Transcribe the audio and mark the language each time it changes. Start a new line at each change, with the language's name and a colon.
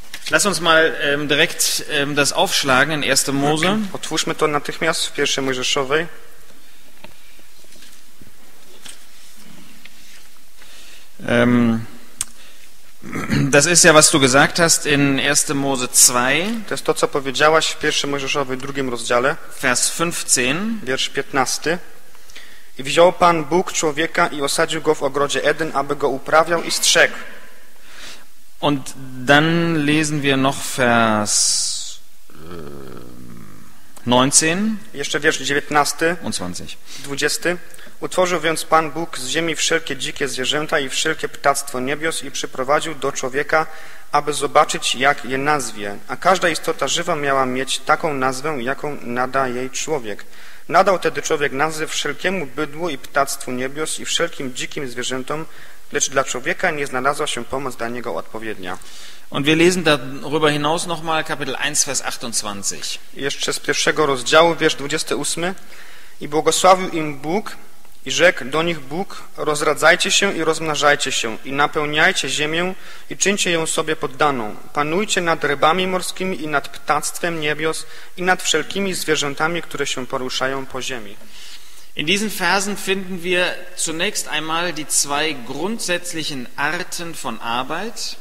German: Lass uns mal direkt das aufschlagen in 1. Mose.
Polish: Otwórzmy to natychmiast w pierwszej Mojżeszowej.
German: Das ist ja, was du gesagt hast in 1. Mose 2.
Polish: To jest to, co powiedziałaś w 1. Mojżeszowej 2 rozdziale.
German: Vers 15.
Polish: Wiersz 15. I wziął Pan Bóg człowieka i osadził go w ogrodzie Eden, aby go uprawiał i strzegł.
German: Und dann lesen wir noch Vers 19.
Polish: Jeszcze wiersz 19.
German: Und 20.
Polish: 20. Utworzył więc Pan Bóg z ziemi wszelkie dzikie zwierzęta i wszelkie ptactwo niebios i przyprowadził do człowieka, aby zobaczyć, jak je nazwie. A każda istota żywa miała mieć taką nazwę, jaką nada jej człowiek. Nadał tedy człowiek nazwy wszelkiemu bydłu i ptactwu niebios i wszelkim dzikim zwierzętom, lecz dla człowieka nie znalazła się pomoc dla niego odpowiednia.
German: Und wir lesen darüber hinaus noch mal Kapitel 1, Vers 28.
Polish: Jeszcze z pierwszego rozdziału, wiersz 28. I błogosławił im Bóg i rzekł do nich Bóg, rozradzajcie się i rozmnażajcie się i napełniajcie ziemię i czyńcie ją sobie poddaną. Panujcie nad rybami morskimi i nad ptactwem niebios i nad wszelkimi zwierzętami, które się poruszają po ziemi.
German: In diesen Versen finden wir zunächst einmal die zwei grundsätzlichen Arten von Arbeit.